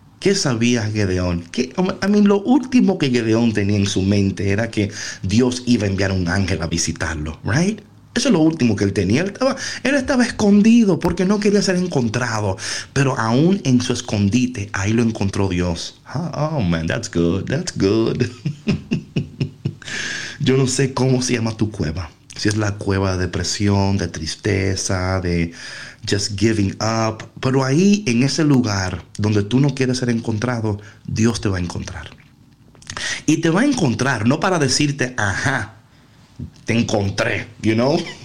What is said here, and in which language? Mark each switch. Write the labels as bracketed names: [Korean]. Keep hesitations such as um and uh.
[Spanish] ¿Qué sabías Gedeón? ¿Qué- [English] I mean, [Spanish] lo último que Gedeón tenía en su mente era que Dios iba a enviar un ángel a visitarlo, ¿right? Eso es lo último que él tenía. Él estaba, él estaba escondido porque no quería ser encontrado. Pero aún en su escondite, ahí lo encontró Dios. [English] Ah, oh man, that's good, that's good. [Spanish] Yo no sé cómo se llama tu cueva. Si es la cueva de depresión, de tristeza, de [English] just giving up. [Spanish] Pero ahí, en ese lugar donde tú no quieres ser encontrado, Dios te va a encontrar. Y te va a encontrar, no para decirte, ajá, te encontré, [English] you know?